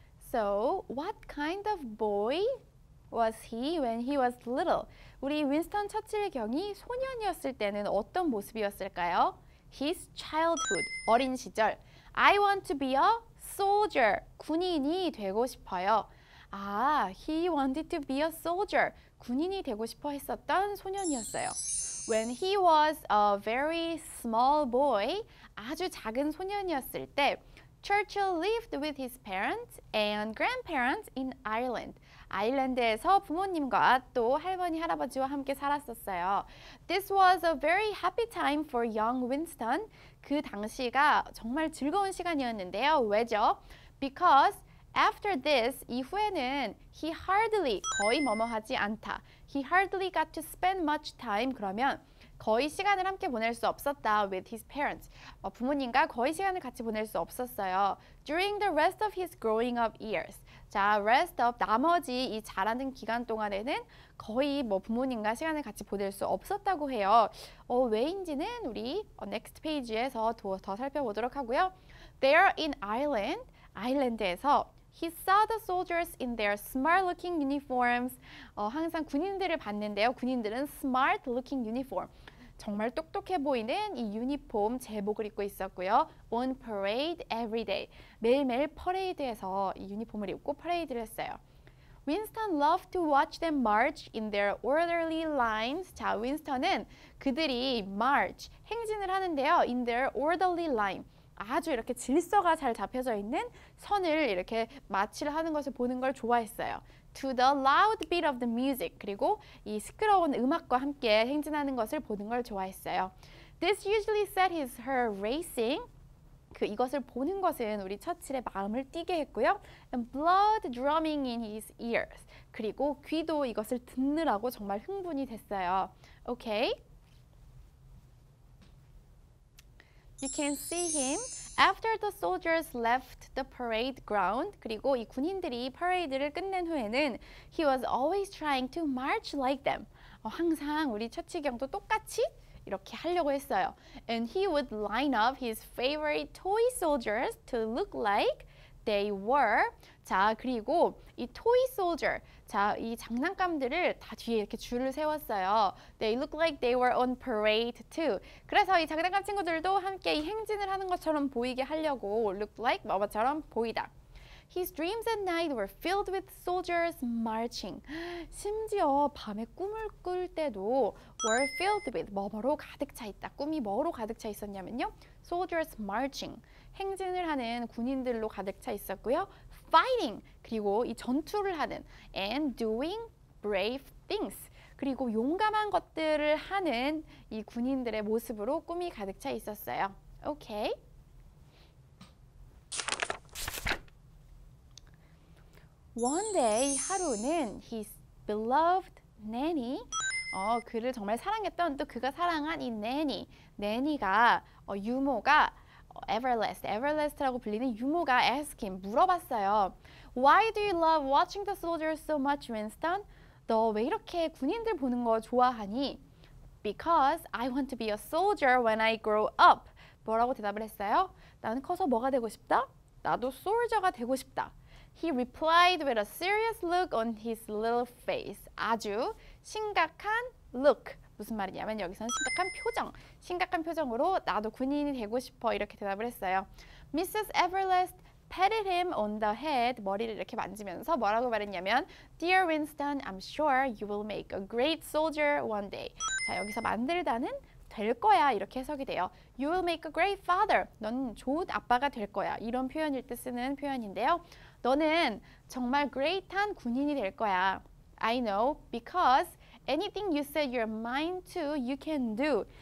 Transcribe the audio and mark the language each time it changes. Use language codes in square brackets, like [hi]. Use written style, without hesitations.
[en] So, what kind of boy was he when he was little? [ko] 우리 윈스턴 처칠 경이 소년이었을 때는 어떤 모습이었을까요? [en] His childhood, [ko] 어린 시절. [en] I want to be a soldier, [ko] 군인이 되고 싶어요. [en] 아, he wanted to be a soldier, [ko] 군인이 되고 싶어 했었던 소년이었어요. [en] When he was a very small boy, [ko] 아주 작은 소년이었을 때, [en] Churchill lived with his parents and grandparents in Ireland. [ko] 아일랜드에서 부모님과 또 할머니, 할아버지와 함께 살았었어요. [en] This was a very happy time for young Winston. [ko] 그 당시가 정말 즐거운 시간이었는데요. 왜죠? [en] Because after this, [ko] 이후에는 [en] he hardly, [ko] 거의 뭐뭐하지 않다. [en] He hardly got to spend much time, [ko] 그러면 거의 시간을 함께 보낼 수 없었다 [en] with his parents. [ko] 부모님과 거의 시간을 같이 보낼 수 없었어요. [en] During the rest of his growing up years. [ko] 자, rest of 나머지 이 자라는 기간 동안에는 거의 뭐 부모님과 시간을 같이 보낼 수 없었다고 해요. 왜인지는 우리 [en] next page [ko] 에서 더 살펴보도록 하고요. [en] There in Ireland, 아일랜드에서 He saw the soldiers in their smart-looking uniforms. [ko] 항상 군인들을 봤는데요. 군인들은 smart-looking uniform. 정말 똑똑해 보이는 이 유니폼 제복을 입고 있었고요. [en] On parade every day. [ko] 매일매일 퍼레이드에서 이 유니폼을 입고 퍼레이드를 했어요. [en] Winston loved to watch them march in their orderly lines. [ko] 자, 윈스턴은 그들이 march, 행진을 하는데요. [en] In their orderly line. [ko] 아주 이렇게 질서가 잘 잡혀져 있는 선을 이렇게 마취를 하는 것을 보는 걸 좋아했어요. [en] To the loud beat of the music. [ko] 그리고 이 시끄러운 음악과 함께 행진하는 것을 보는 걸 좋아했어요. [en] This usually set his heart racing. [ko] 그 이것을 보는 것은 우리 처칠의 마음을 뛰게 했고요. [en] And blood drumming in his ears. [ko] 그리고 귀도 이것을 듣느라고 정말 흥분이 됐어요. [en] Okay. You can see him after the soldiers left the parade ground. [ko] 그리고 이 군인들이 퍼레이드를 끝낸 후에는 [en] he was always trying to march like them. [ko] 항상 우리 처칠 경도 똑같이 이렇게 하려고 했어요. [en] And he would line up his favorite toy soldiers to look like they were. [ko] 자, 그리고 이 toy soldier. 자, 이 장난감들을 다 뒤에 이렇게 줄을 세웠어요. [en] They look like they were on parade too. [ko] 그래서 이 장난감 친구들도 함께 이 행진을 하는 것처럼 보이게 하려고 look like 뭐뭐처럼 보이다. [en] His dreams at night were filled with soldiers marching. [ko] 심지어 밤에 꿈을 꿀 때도 were filled with 뭐뭐로 가득 차 있다. 꿈이 뭐로 가득 차 있었냐면요. [en] Soldiers marching. [ko] 행진을 하는 군인들로 가득 차 있었고요. Fighting, 그리고 이 전투를 하는 [en] and doing brave things, [ko] 그리고 용감한 것들을 하는 이 군인들의 모습으로 꿈이 가득 차 있었어요. Okay. [en] One day, [ko] 하루는 [en] his beloved nanny, [ko] 그를 정말 사랑했던 또 그가 사랑한 이 내니 내니가 유모가 Everlast라고 불리는 유모가 [en] ask him [ko] 물어봤어요. [en] Why do you love watching the soldiers so much, Winston? [ko] 너 왜 이렇게 군인들 보는 거 좋아하니? [en] Because I want to be a soldier when I grow up. [ko] 뭐라고 대답을 했어요? 나는 커서 뭐가 되고 싶다? 나도 솔저가 되고 싶다. [en] He replied with a serious look on his little face. [ko] 아주 심각한 look. 무슨 말이냐면 여기서는 심각한 표정. 심각한 표정으로 나도 군인이 되고 싶어 이렇게 대답을 했어요. [en] Mrs. Everlast patted him on the head. [ko] 머리를 이렇게 만지면서 뭐라고 말했냐면 [en] Dear Winston, I'm sure you will make a great soldier one day. [ko] 자, 여기서 만들다는 될 거야 이렇게 해석이 돼요. [en] You will make a great father. [ko] 너는 좋은 아빠가 될 거야. 이런 표현일 때 쓰는 표현인데요. 너는 정말 great한 군인이 될 거야. [en] I know because anything you set your mind to, you can do.